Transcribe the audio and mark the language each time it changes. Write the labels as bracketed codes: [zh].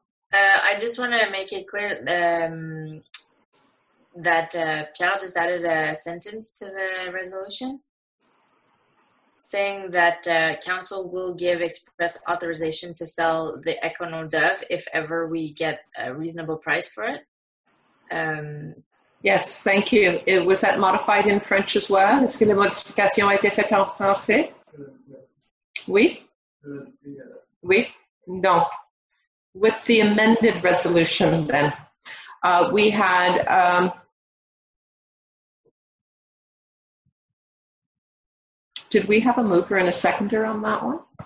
[en] I just want to make it clear that Pierre just added a sentence to the resolution saying that council will give express authorization to sell the Econo Dove if ever we get a reasonable price for it. Yes, thank you. Was that modified in French as well? [fr] Est-ce que la modification a été faite en français? Oui? Oui? [en] Donc, with the amended resolution then, we had... did we have a mover and a seconder on that one?